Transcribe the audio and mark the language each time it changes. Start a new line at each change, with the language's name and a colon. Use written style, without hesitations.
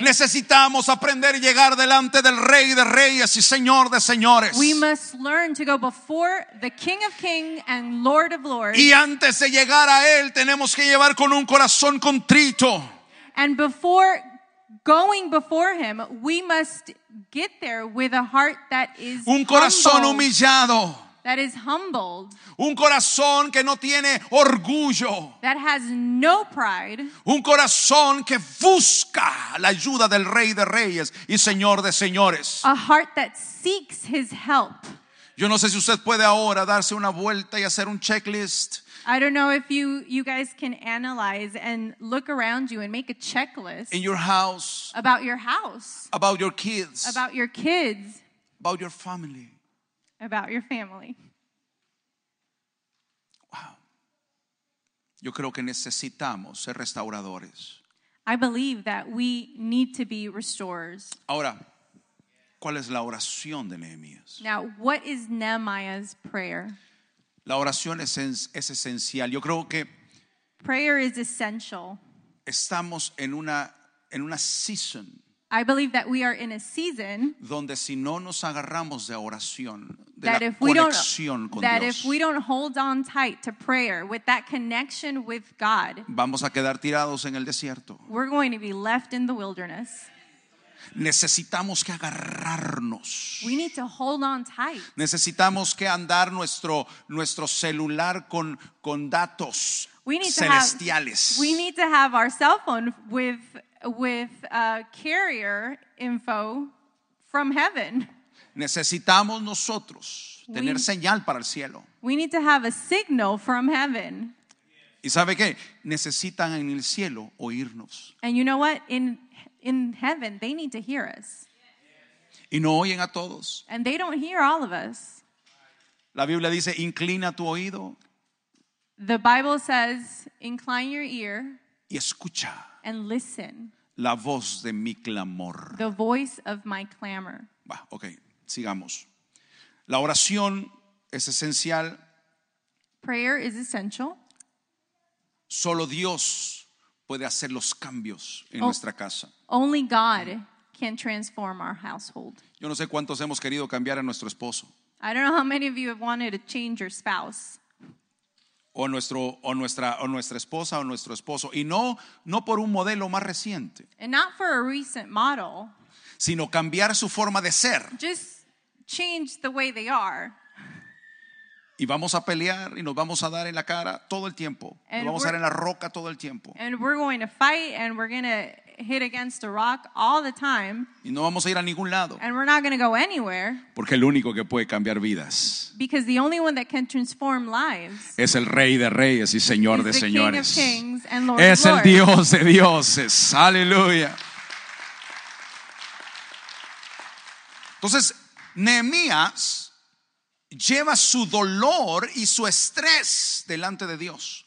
Spanish: Necesitamos aprender a llegar delante del Rey de Reyes y Señor de Señores.
English: We must learn to go before for the King of Kings and Lord of Lords.
Spanish: Y antes de llegar a él, tenemos que llevar con un corazón contrito.
English: And before going before him, we must get there with a heart that is
Spanish: un corazón
English: humbled,
Spanish: humillado.
English: That is humbled.
Spanish: Un corazón que no tiene orgullo.
English: That has no pride.
Spanish: Un corazón que busca la ayuda del Rey de Reyes y Señor de Señores.
English: A heart that seeks his help.
Spanish: Yo no sé si usted puede ahora darse una vuelta y hacer un checklist.
English: I don't know if you guys can analyze and look around you and make a checklist. In your house. About your house. About your kids. About your kids. About your family. About your family.
Spanish: Wow. Yo creo que necesitamos ser restauradores.
English: I believe that we need to be restorers.
Spanish: Ahora, ¿cuál es la oración de Nehemías?
English: Now, what is Nehemiah's prayer?
Spanish: La oración es esencial. Yo creo que
English: prayer is essential.
Spanish: Estamos en una season.
English: I believe that we are in a season
Spanish: donde si no nos agarramos de oración, de
English: that
Spanish: la
English: if we
Spanish: conexión
English: don't,
Spanish: con
English: that
Spanish: Dios,
English: if we don't hold on tight to prayer with that connection with God,
Spanish: vamos a quedar tirados en el desierto.
English: We're going to be left in the wilderness.
Spanish: Necesitamos que agarrarnos.
English: We need to hold on tight.
Spanish: Necesitamos que andar nuestro celular con datos celestiales.
English: We need to have our cell phone with a carrier info from heaven.
Spanish: Necesitamos nosotros tener señal para el cielo.
English: We need to have a signal from heaven.
Spanish: ¿Y sabe qué? Necesitan en el cielo oírnos.
English: And you know what? In heaven, they need to hear us.
Spanish: Y no oyen a todos.
English: And they don't hear all of us.
Spanish: La Biblia dice, inclina tu oído.
English: The Bible says, incline your ear.
Spanish: Y escucha.
English: And listen.
Spanish: La voz de mi clamor.
English: The voice of my clamor.
Spanish: Bah, okay, sigamos. La oración es esencial.
English: Prayer is essential.
Spanish: Solo Dios puede hacer los cambios en nuestra casa.
English: Only God can transform our household.
Spanish: Yo no sé cuántos hemos querido cambiar a nuestro esposo.
English: I don't know how many of you have wanted to change your spouse.
Spanish: O nuestra esposa o nuestro esposo. Y no por un modelo más reciente.
English: And not for a recent model.
Spanish: Sino cambiar su forma de ser.
English: Just change the way they are.
Spanish: Y vamos a pelear y nos vamos a dar en la cara todo el tiempo. Nos vamos a dar en la roca todo el tiempo.
English: And we're going to fight and we're going to hit against a rock all the time.
Spanish: Y no vamos a ir a ningún lado.
English: And we're not going to go anywhere.
Spanish: Porque el único que puede cambiar vidas.
English: Because the only one that can transform lives.
Spanish: Es el Rey de Reyes y Señor de Señores.
English: Is the King of Kings and Lord of Lords.
Spanish: Es el Dios de Dioses. Aleluya. Entonces, Nehemías lleva su dolor y su estrés delante de Dios.